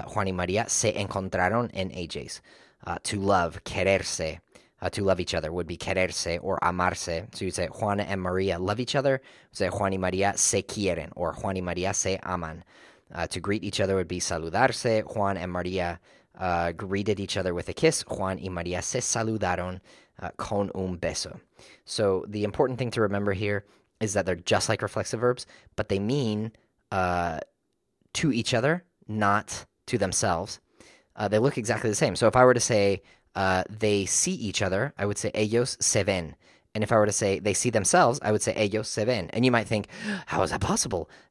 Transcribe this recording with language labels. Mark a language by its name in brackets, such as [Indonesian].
[Spanish] Juan y María se encontraron en AJ's. [English] To love, [Spanish] quererse. [English] To love each other would be quererse or amarse. So you'd say Juan and María love each other. [Spanish] Say Juan y María se quieren or Juan y María se aman. [English] To greet each other would be saludarse. Juan and María greeted each other with a kiss. [Spanish] Juan y María se saludaron con un beso. [English] So the important thing to remember here is that they're just like reflexive verbs, but they mean... to each other, not to themselves. They look exactly the same. So if I were to say they see each other, I would say [Spanish] ellos se ven. [English] And if I were to say they see themselves, I would say [Spanish] ellos se ven. [English] And you might think, how is that possible?